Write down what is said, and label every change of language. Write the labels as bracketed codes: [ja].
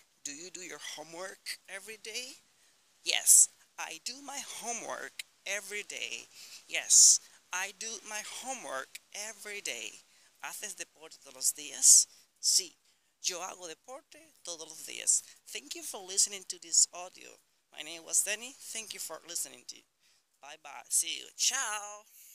[en] Do you do your homework every day? Yes, I do my homework every day. Yes, I do my homework every day. [es] ¿Haces deporte todos los días? Sí, yo hago deporte todos los días. [en] Thank you for listening to this audio. My name was Danny. Thank you for listening to. Bye bye. See you. Ciao.